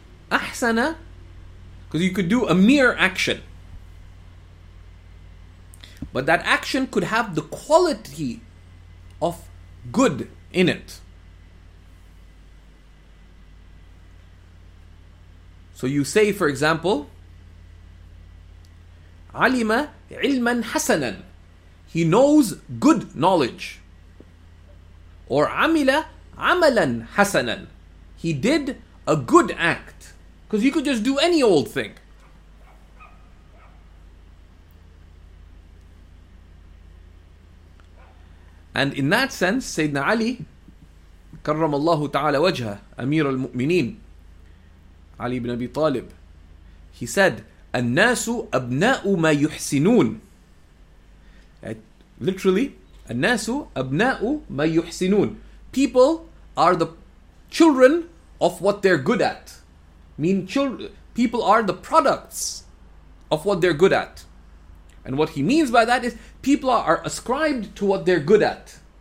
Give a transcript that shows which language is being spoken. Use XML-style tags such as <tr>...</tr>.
<en>Ahsana, because you could do a mere action, but that action could have the quality of good in it. So you say, for example,</en> <ar>عَلِمَ عِلْمًا حَسَنًا.</ar> <en>He knows good knowledge. Or</en> <ar>عَمِلَ عَمَلًا حَسَنًا.</ar> <en>He did a good act. Because you could just do any old thing. And in that sense, Sayyidina Ali,</en> <ar>كَرَّمَ اللَّهُ تَعَالَ وَجْهَ أَمِيرَ الْمُؤْمِنِينَ</ar> <en>Ali ibn Abi Talib, he said,</en> <ar>النَّاسُ أَبْنَاءُ مَا يُحْسِنُونَ.</ar> <en>Literally,</en> <ar>النَّاسُ أَبْنَاءُ مَا يُحْسِنُونَ.</ar> <en>People are the children of what they're good at. Mean children, people are the products of what they're good at. And what he means by that is people are ascribed to what they're good at.</en>